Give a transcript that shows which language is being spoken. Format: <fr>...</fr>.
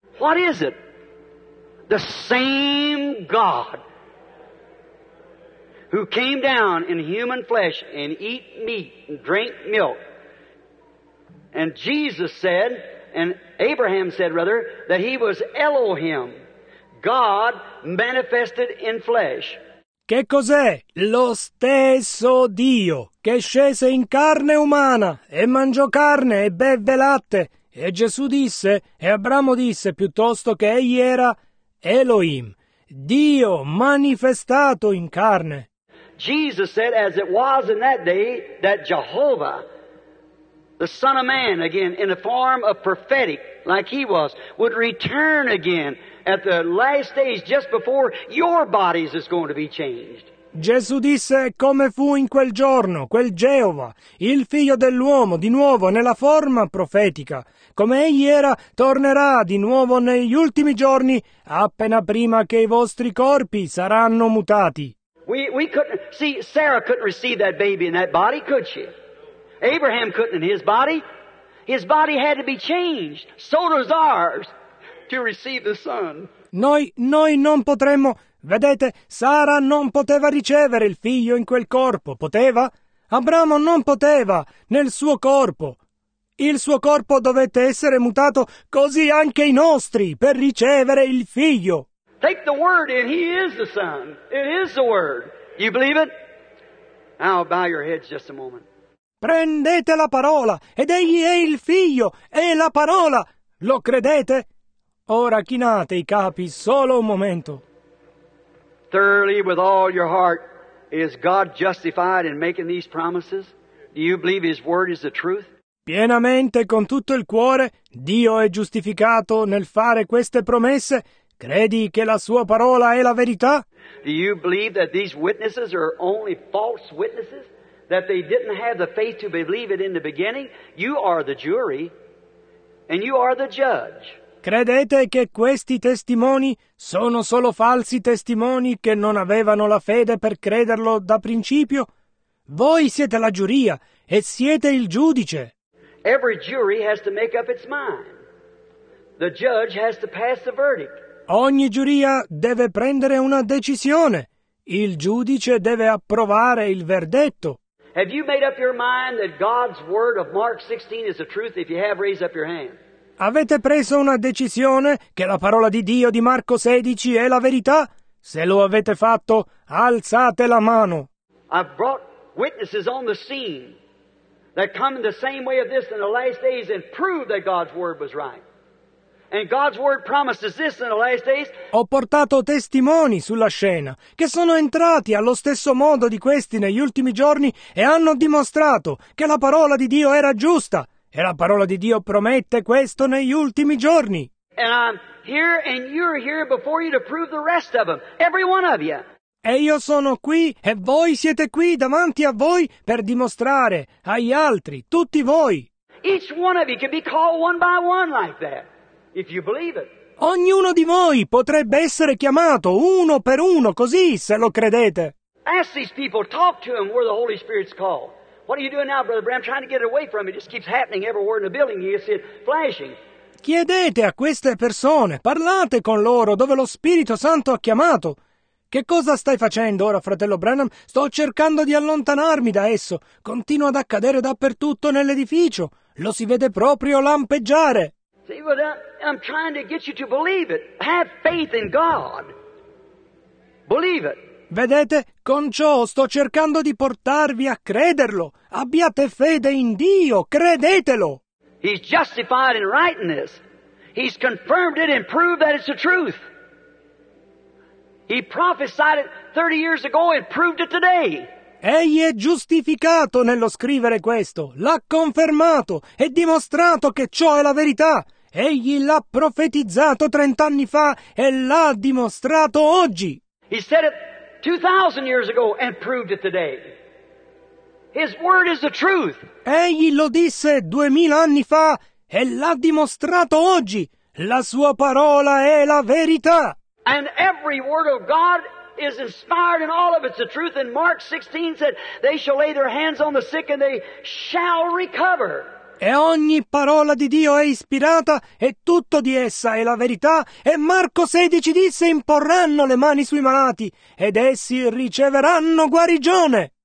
<en>What is it? The same God who came down in human flesh and eat meat and drink milk. And Jesus said, and Abraham said rather, that he was Elohim. God manifested in flesh.</en> <it>Che cos'è? Lo stesso Dio che scese in carne umana e mangiò carne e bevve latte. E Gesù disse, e Abramo disse piuttosto che egli era Elohim, Dio manifestato in carne.</it> <en>Jesus said, as it was in that day, that Jehovah, the Son of Man, again, in the form of prophetic, like he was, would return again. At the last days, just before your bodies is going to be changed.</en> <it>Gesù disse come fu in quel giorno, quel Geova, il figlio dell'uomo, di nuovo nella forma profetica, come egli era, tornerà di nuovo negli ultimi giorni, appena prima che i vostri corpi saranno mutati.</it> <en>We couldn't see Sarah couldn't receive that baby in that body, could she? Abraham couldn't in his body. His body had to be changed. So does ours. To receive the son.</en> <it>Noi non potremmo, vedete, Sara non poteva ricevere il figlio in quel corpo, poteva? Abramo non poteva nel suo corpo. Il suo corpo dovette essere mutato, così anche i nostri, per ricevere il figlio.</it> <en>Take the word and he is the son. It is the word. You believe it? I'll bow your heads just a moment.</en> <it>Prendete la parola ed egli è il figlio, è la parola. Lo credete? Ora chinate i capi solo un momento.</it> <en>Thoroughly with all your heart, is God justified in making these promises? Do you believe his word is the truth?</en> <it>Pienamente con tutto il cuore, Dio è giustificato nel fare queste promesse? Credi che la sua parola è la verità?</it> <en>Do you believe that these witnesses are only false witnesses? That they didn't have the faith to believe it in the beginning? You are the jury and you are the judge.</en> <it>Credete che questi testimoni sono solo falsi testimoni che non avevano la fede per crederlo da principio? Voi siete la giuria e siete il giudice.</it> <en>Every jury has to make up its mind. The judge has to pass the verdict.</en> <it>Ogni giuria deve prendere una decisione. Il giudice deve approvare il verdetto.</it> <en>Have you made up your mind that God's word of Mark 16 is the truth? If you have, raise up your hand.</en> <it>Avete preso una decisione che la parola di Dio di Marco 16 è la verità? Se lo avete fatto, alzate la mano.</it> <en>I've brought witnesses on the scene that come in the same way of this in the last days and prove that God's word was right. And God's word promises this in the last days.</en> <it>Ho portato testimoni sulla scena che sono entrati allo stesso modo di questi negli ultimi giorni e hanno dimostrato che la parola di Dio era giusta. E la parola di Dio promette questo negli ultimi giorni.</it> <en>And I'm here and you're here before you to prove the rest of them, every one of you.</en> <it>E io sono qui e voi siete qui davanti a voi per dimostrare agli altri, tutti voi.</it> <en>Each one of you can be called one by one like that, if you believe it.</en> <it>Ognuno di voi potrebbe essere chiamato uno per uno, così, se lo credete.</it> <en>Ask these people, talk to them where the Holy Spirit's called. What are you doing now, Brother Bram? Trying to get it away from me. It just keeps happening everywhere in the building. You see it flashing.</en> <it>Chiedete a queste persone, parlate con loro dove lo Spirito Santo ha chiamato. Che cosa stai facendo ora, fratello Branham? Sto cercando di allontanarmi da esso. Continua ad accadere dappertutto nell'edificio. Lo si vede proprio lampeggiare.</it> <en>See, but I'm trying to get you to believe it. Have faith in God. Believe it.</en> <it>Vedete, con ciò sto cercando di portarvi a crederlo. Abbiate fede in Dio, credetelo.</it> <en>He's justified in writing this. He's confirmed it and proved that it's the truth. He prophesied it 30 years ago and proved it today.</en> <it>Egli è giustificato nello scrivere questo. L'ha confermato e dimostrato che ciò è la verità. Egli l'ha profetizzato 30 anni fa e l'ha dimostrato oggi.</it> <en>He said it 2,000 years ago and proved it today. His word is the truth.</en> <it>Egli lo disse 2,000 anni fa e l'ha dimostrato oggi. La sua parola è la verità.</it> <en>And every word of God is inspired and all of it's the truth. And Mark 16 said, they shall lay their hands on the sick and they shall recover.</en> <it>E ogni parola di Dio è ispirata e tutto di essa è la verità. E Marco 16 disse, imporranno le mani sui malati ed essi riceveranno guarigione.</it>